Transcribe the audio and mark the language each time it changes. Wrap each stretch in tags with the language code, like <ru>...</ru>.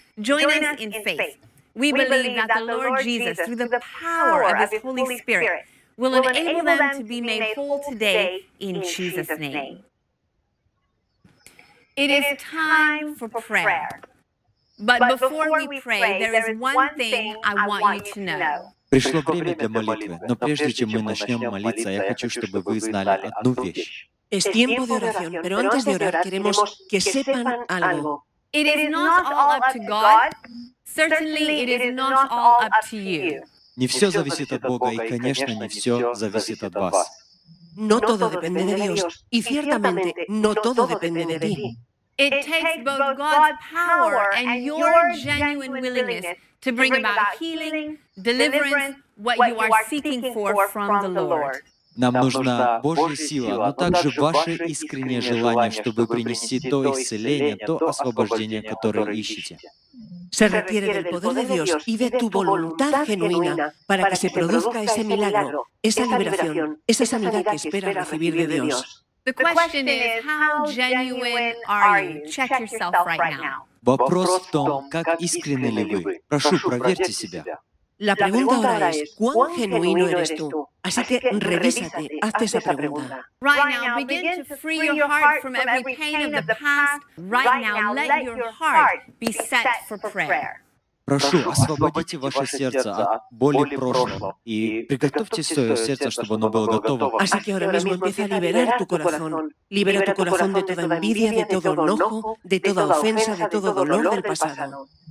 <en>Join us in faith. We believe that the Lord Jesus, through the power of his Holy Spirit, will enable them to be made whole today in Jesus' name. It is time for prayer. But before we pray, there is one thing I want you to know.</en> <ru>Пришло время для молитвы, но прежде чем мы начнем молиться, я хочу, чтобы вы знали одну вещь.</ru> <es>Es tiempo de oración, pero antes de orar queremos que sepan algo.</es> <en>It is not all up to God. Certainly, it is not all up to you.</en> <ru>Не все зависит от Бога, и, конечно, не все зависит от вас.</ru> <es>No todo depende de Dios, y ciertamente, no todo depende de ti.</es> <en>It takes both God's power and your genuine willingness to bring about healing, deliverance, what you are seeking for from the Lord.</en> <ru>Нам нужна Божья сила, но также ваше искреннее желание, чтобы принести то исцеление, то освобождение, которое ищете.</ru> <es>Se requiere del poder de Dios y de tu voluntad genuina para que se produzca ese milagro, esa liberación, esa sanidad que esperas recibir de Dios.</es> <en>The question is, how genuine are you? Check yourself right now.</en> <ru>Вопрос в том, как искренны ли вы. Прошу, проверьте себя.</ru> <es>La pregunta ahora es, ¿cuán genuino eres tú? Así que revísate, hazte esa pregunta.</es> <en>Right now, begin to free your heart from every pain of the past. Right now, let your heart be set for prayer.</en> <ru>Прошу, освободите ваше сердце от боли прошлого и приготовьте свое сердце, чтобы оно было готово.</ru> <es>Así que ahora mismo empieza a liberar tu corazón. Libera tu corazón de toda envidia, de todo enojo, de toda ofensa, de todo dolor del pasado.</es>